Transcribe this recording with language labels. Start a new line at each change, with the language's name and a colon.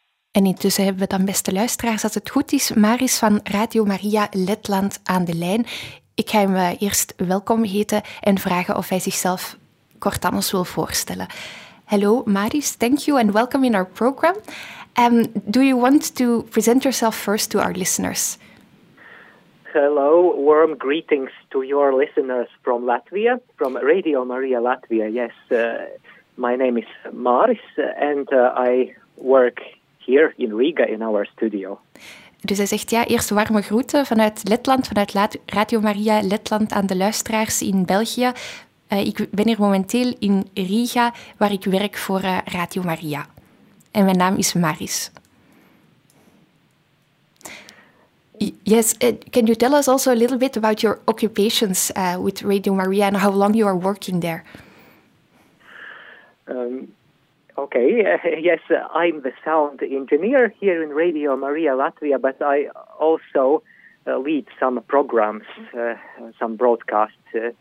Dutch: En intussen hebben we dan, beste luisteraars, als het goed is, Maris van Radio Maria Letland aan de lijn. Ik ga hem eerst welkom heten en vragen of hij zichzelf kort aan ons wil voorstellen.
English: Hello, Maris, thank you and welcome in our program. Do you want to present yourself first to our listeners? Hello, warm greetings to your listeners from Latvia, from Radio Maria Latvia. Yes, my name is Maris and I work here in Riga in our studio.
Dutch: Dus hij zegt, ja, eerst warme groeten vanuit Letland, vanuit Radio Maria Letland aan de luisteraars in België. Ik ben hier momenteel in Riga, waar ik werk voor Radio Maria. En mijn naam is Maris.
English: Yes, can you tell us also a little bit about your occupations with Radio Maria and how long you are working there? Okay, yes, I'm the sound engineer here in Radio Maria Latvia, but I also lead some programs, some broadcasts.